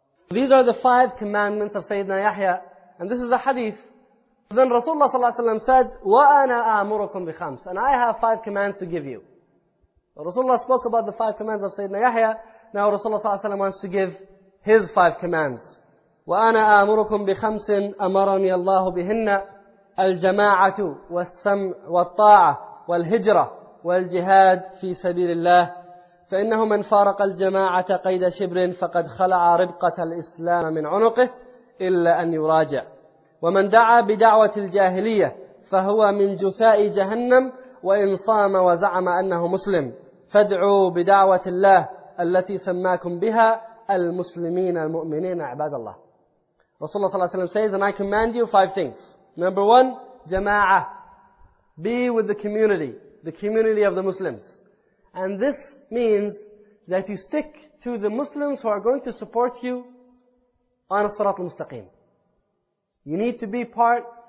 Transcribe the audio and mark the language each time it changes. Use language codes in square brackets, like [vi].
[en] These are the five commandments of Sayyidina Yahya. And this is a hadith. Then Rasulullah sallallahu alayhi wa sallam said, [ar] وَأَنَا أَمُرُكُمْ بِخَمْسِ. [en] And I have five commands to give you. Rasulullah spoke about the five commands of Sayyidina Yahya. Now Rasulullah sallallahu alayhi wa sallam wants to give his five commands. [ar] وَأَنَا أَمُرُكُمْ بِخَمْسٍ أَمَرَنِي اللَّهُ بِهِنَّ الْجَمَاعَةُ وَالسَّمْعُ وَالطَّاعَةُ وَالْهِجْرَةُ وَالْجِهَادُ فِي سَبِيلِ اللَّهِ فإنه من فارق الجماعة قيد شبر فقد خلع ربقة الإسلام من عنقه إلا أن يراجع ومن دعا بدعوة الجاهلية فهو من جثاء جهنم وإن صام وزعم أنه مسلم فادعوا بدعوة الله التي سماكم بها المسلمين المؤمنين عباد الله. رسول الله صلى الله عليه وسلم [en] says, and I command you five things. Number one, جماعة. Be with the community of the Muslims. And this means that you stick to the Muslims who are going to support you on as-sirat al-mustaqim. You need to be part